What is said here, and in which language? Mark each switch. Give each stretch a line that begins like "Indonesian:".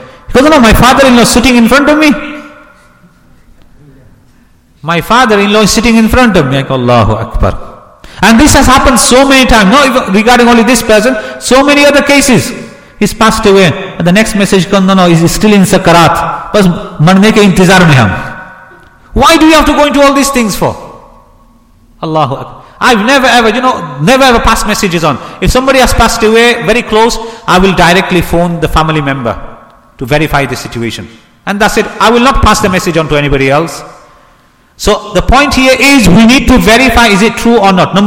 English: He goes, no, my father-in-law is sitting in front of me. My father-in-law is sitting in front of me. I go, Allahu Akbar. And this has happened so many times. Not even regarding only this person. So many other cases. He's passed away. And the next message comes, no, he's still in Sakarat.
Urdu: بس مرنے کے انتظار میں ہم۔
English: Why do you have to go into all these things for? Allahu Akbar. I've never ever, you know, never ever passed messages on. If somebody has passed away very close, I will directly phone the family member to verify the situation. And that's it. I will not pass the message on to anybody else. So the point here is, we need to verify, is it true or not?